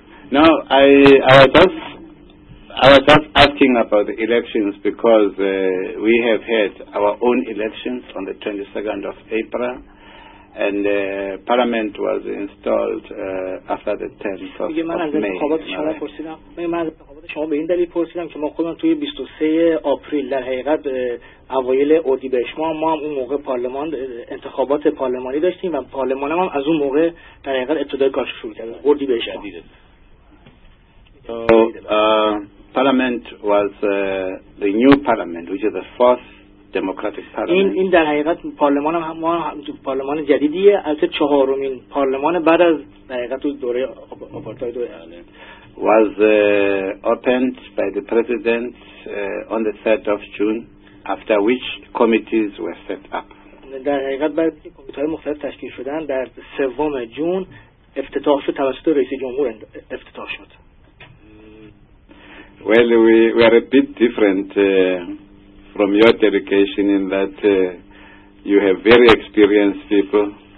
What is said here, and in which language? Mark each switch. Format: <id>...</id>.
<en>No, I was just asking about the elections because we have had our own elections on the 22nd of April. And parliament was installed after the 10th of May.</en> <fa>شما به این دلیل پرسیدم که ما خودمون توی 23 آپریل در حقیقت اوایل اردیبهشت ما هم اون موقع پارلمان انتخابات پارلمانی داشتیم و پارلمان هم از اون موقع در حقیقت ابتدای کارش شروع کرد اردیبهشت دیده.</fa> <en>So parliament was the new parliament which is the fourth democratic parliament.</en> <fa>این در حقیقت پارلمان هم ما پارلمان جدیدیه، البته چهارمین پارلمان بعد از در حقیقت دوره آپارتاید</fa> <en>was opened by the president on the 3rd of June after which committees were set up.</en> <fa>در حقیقت بعد از کمیته‌های مختلف تشکیل شدن در 3 جون افتتاح شد توسط رئیس جمهور افتتاح شد.</fa> <en>Well, we are a bit different from your delegation in that you have very experienced people.</en>